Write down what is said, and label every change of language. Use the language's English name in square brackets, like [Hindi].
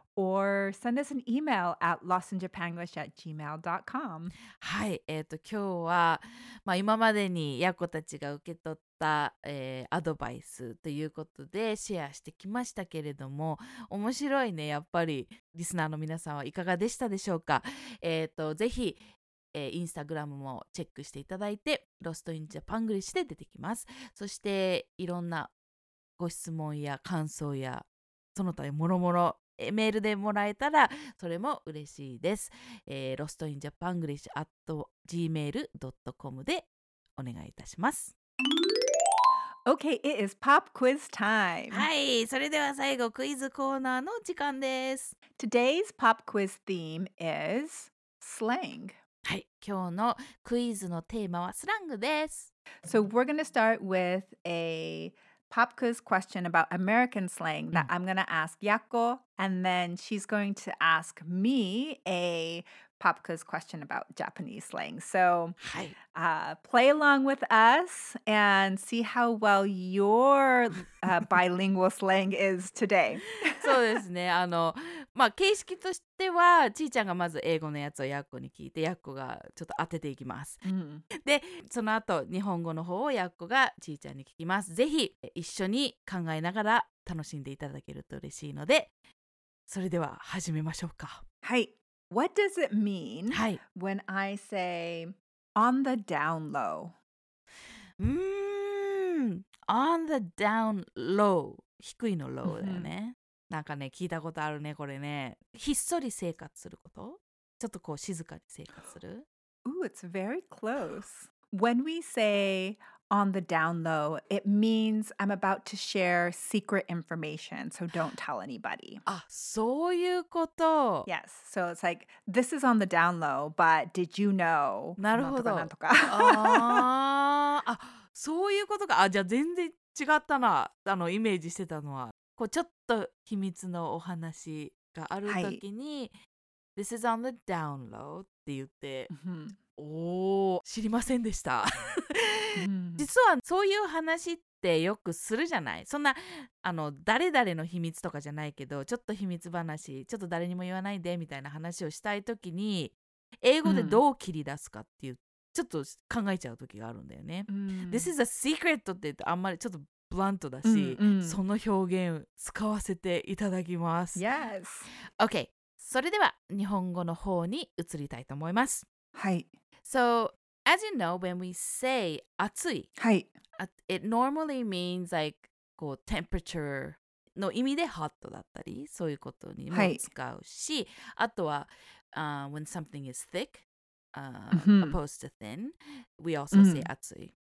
[English] or send us an email at lostinjapanglish@gmail.com. [Japanese] はい、今日は、まあ、今までにヤコたちが受け取った、アドバイスということでシェアしてきましたけれども、面白いね、やっぱりリスナーの皆さんはいかがでしたでしょうか。ぜひインスタグラムもチェックしていただいて、ロストインジャパングリッシュで出てきます。そしていろんなご質問や感想やその他もろもろメールでもらえたらそれも嬉しいです。ロストインジャパングリッシュ @gmail.com でお願いいたします。 [English] OK, it is pop quiz time. [Japanese] はい、それでは最後クイズコーナーの時間です。 [English] Today's pop quiz theme is slang. [Japanese] はい、今日のクイズのテーマはスラングです。 [English] So we're gonna start with a pop quiz question about American slang that、うん、I'm gonna ask Yako, and then she's going to ask me a pop quiz question about Japanese slang. So、 [Japanese] はい、 [English] play along with us and see how well your、bilingual slang is today. [Japanese] そうですね。まあ、形式としてはちーちゃんがまず英語のやつをヤッコに聞いて、ヤッコがちょっと当てていきます、うん、でその後日本語の方をヤッコがちーちゃんに聞きます。ぜひ一緒に考えながら楽しんでいただけると嬉しいので、それでは始めましょうか。 [English] はい、 What does it mean、はい、when I say on the down low? On the down low、 [Japanese] 低いのローだよね、うん、なんかね、聞いたことあるね、これね。ひっそり生活すること?ちょっとこう静かに生活する? [English] Ooh, it's very close. When we say on the down low, it means I'm about to share secret information, so don't tell anybody. [Japanese] あ、そういうこと。 [English] Yes, so it's like, this is on the down low, but did you know? [Japanese] なるほど。なんとかなんとか。あ、そういうことか。あ、じゃあ全然違ったな。イメージしてたのは。こうちょっと秘密のお話があるときに、はい、 [English] This is on the down low [Japanese] って言って、うん、おー知りませんでした実はそういう話ってよくするじゃない。そんな誰々の秘密とかじゃないけど、ちょっと秘密話、ちょっと誰にも言わないでみたいな話をしたいときに、英語でどう切り出すかっていう、うん、ちょっと考えちゃうときがあるんだよね、うん、 [English] This is a secret [Japanese] って言って、あんまりちょっとブラントだし、うんうん、その表現使わせていただきます。 [English] Yes! OK! [Japanese] それでは日本語の方に移りたいと思います。はい。 [English] So, as you know, when we say 暑い、 [Japanese] はい、 [English] it normally means like [Japanese] こう [English] temperature [Japanese] の意味で [English] hot [Japanese] だったり、そういうことにも使うし、はい、あとは、 [English] when something is thick、opposed to thin, we also say 暑い。